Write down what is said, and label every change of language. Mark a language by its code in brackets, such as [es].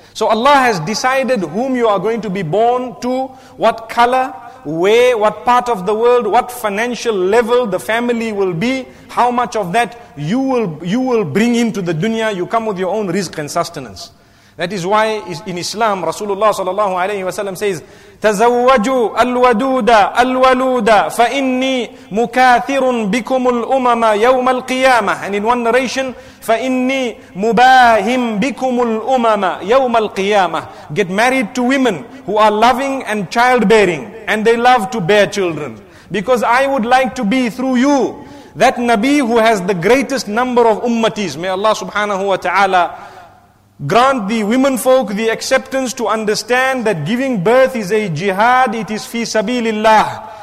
[en] So Allah has decided whom you are going to be born to, what color, where, what part of the world, what financial level the family will be, how much of that you will bring into the dunya. You come with your own rizq and sustenance. That is why in Islam, Rasulullah sallallahu alayhi wa sallam says, [ar] تَزَوَّجُوا الْوَدُودَ الْوَلُودَ فَإِنِّي مُكَاثِرٌ بِكُمُ الْأُمَمَ يَوْمَ الْقِيَامَةِ. [en] And in one narration, [ar] فَإِنِّي مُبَاهِمْ بِكُمُ الْأُمَمَ يَوْمَ الْقِيَامَةِ. [en] Get married to women who are loving and childbearing, and they love to bear children. Because I would like to be through you that Nabi who has the greatest number of ummatis. May Allah subhanahu wa ta'ala grant the women folk the acceptance to understand that giving birth is a jihad, it is fi sabilillah.